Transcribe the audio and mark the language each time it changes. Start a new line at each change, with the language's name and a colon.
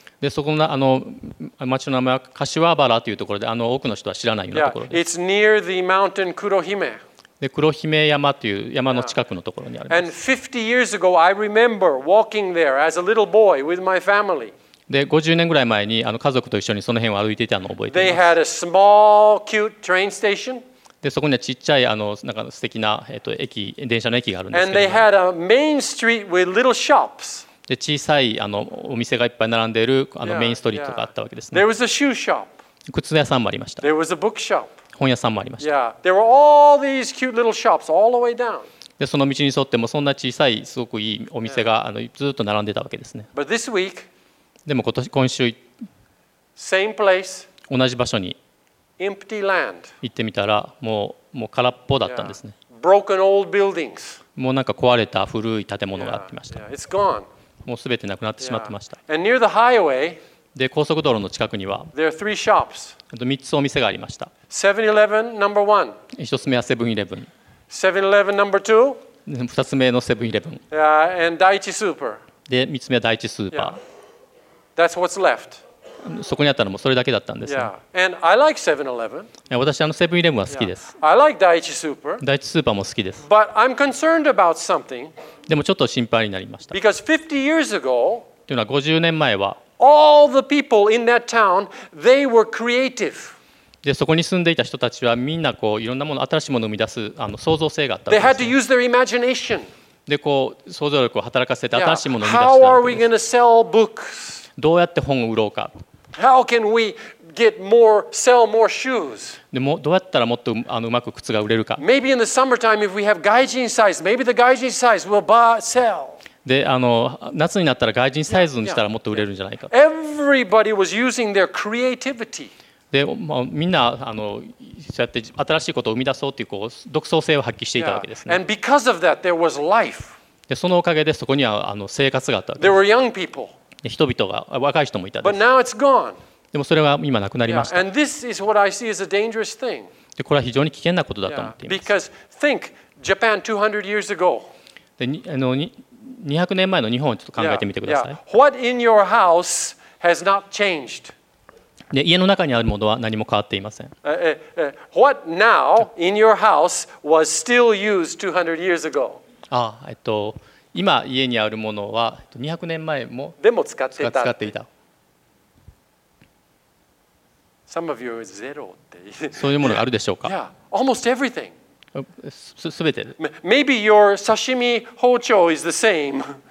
Japanese: でそこ の, あの町の名前は柏原というところで、あの多くの人は知らないようなところです。
English: Yeah, it's near the mountain 黒姫。
Japanese: で黒姫山という山の近くのところにあります。
English: And 50 years ago, I remember walking there as a little boy with my family.
Japanese: で50年ぐらい前にあの家族と一緒にその辺を歩いていたのを覚えています。
English: They had a small, cute train station.
Japanese: でそこにはちっちゃいあのなんか素敵な駅電車の駅があるんですけど。
English: And they had a main street with little shops.
Japanese: で小さいあのお店がいっぱい並んでいるあのメインストリートがあったわけですね。
English: There was a shoe shop.
Japanese: 靴屋さんもありました。
English: There was a bookshop.
Japanese: 本屋さんもありました。
English: Yeah. There were all these cute little shops all the way down.
Japanese: でその道に沿ってもそんな小さいすごくいいお店が、yeah. あのずっと並んでたわけですね。
English: But this week,
Japanese: でも今週
English: same place,
Japanese: 同じ場所に
English: empty land.
Japanese: 行ってみたらもう空っぽだったんですね。
English: Yeah. Broken old buildings.
Japanese: もうなんか壊れた古い建物があってました。
English: Yeah. Yeah. It's gone.
Japanese: もうすべてなくなってしまってました。
English: Yeah. And near the highway,
Japanese: で高速道路の近くには、
English: there are three shops.
Japanese: 3つお店がありました。
English: 7-Eleven number one.
Japanese: 一つ目はセブンイレブン。
English: 7-Eleven number two.
Japanese: 二つ目のセブンイレブン。
English: And 第一スーパー。
Japanese: で三つ目は第一スーパー。
English: That's what's left.
Japanese: そこにあったのもそれだけだったんですね。
English: Yeah. And I like 7-Eleven.
Japanese: 私あのセブンイレブンは好きです。
English: Yeah. I like 第一スーパー。
Japanese: 第一スーパーも好きです。
English: But I'm concerned about something.
Japanese: でもちょっと心配になりました。
English: Because 50 years ago,
Japanese: というのは50年前は、
English: all the people in that town, they were creative.
Japanese: でそこに住んでいた人たちはみんなこういろんなもの新しいものを生み出すあの創造性があったんです。
English: They had to use their imagination.
Japanese: でこう想像力を働かせて新しいものを生み出したわけです。
English: How are we going to sell books?
Japanese: どうやって本を売ろうか。
English: How can we get more, sell more shoes?
Japanese: でもどうやったらもっとあのうまく靴が売れるか。
English: Maybe in the summertime, if we have gaijin size, maybe the gaijin size will buy, sell.
Japanese: で、あの夏になったら gaijin サイズにしたらもっと売れるんじゃないか。
English: Everybody was using their creativity.
Japanese: で、まあ、みんなあのそうやって新しいことを生み出そうというこう独創性を発揮していたわけですね。
English: And because of that, there was life.
Japanese: で、そのおかげでそこにはあの生活があったわけです。
English: There were young people.
Japanese: 人々が若い人もいたです。
English: But now it's gone.
Japanese: でもそれは今なくなりました。
English: And this is what I see as a dangerous thing.
Japanese: でこれは非常に危険なことだと思っています。
English: Because think Japan 200 years ago.
Japanese: で、あの200年前の日本をちょっと考えてみてください。
English: What in your house has not changed?
Japanese: で、家の中にあるものは何も変わっていません。
English: What now in your house was still used 200 years ago?
Japanese: ああ、今家にあるものは200年前も使っていた。
English: Some of you are zero.
Japanese: そういうものがあるでしょうか。
English: Yeah, almost everything.
Japanese: すべて。
English: Maybe your 刺身包丁 is the same.